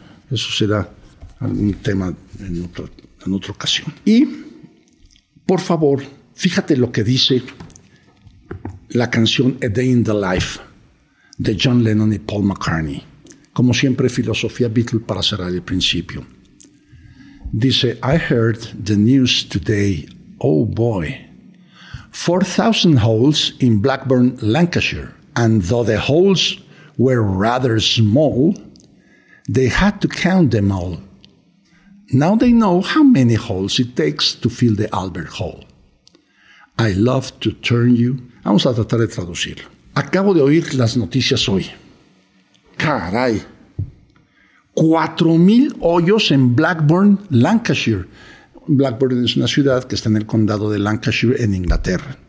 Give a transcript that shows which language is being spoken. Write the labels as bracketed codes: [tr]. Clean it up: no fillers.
[es] Eso será algún tema en otra ocasión. Y, por favor, fíjate lo que dice la canción A Day in the Life, de John Lennon y Paul McCartney. Como siempre, filosofía Beatle para cerrar el principio. Dice, [en] I heard the news today, oh boy. 4,000 holes in Blackburn, Lancashire. And though the holes were rather small, they had to count them all. Now they know how many holes it takes to fill the Albert Hall. I love to turn you. [es] Vamos a tratar de traducirlo. Acabo de oír las noticias hoy. ¡Caray! 4,000 hoyos en Blackburn, Lancashire. Blackburn es una ciudad que está en el condado de Lancashire, en Inglaterra.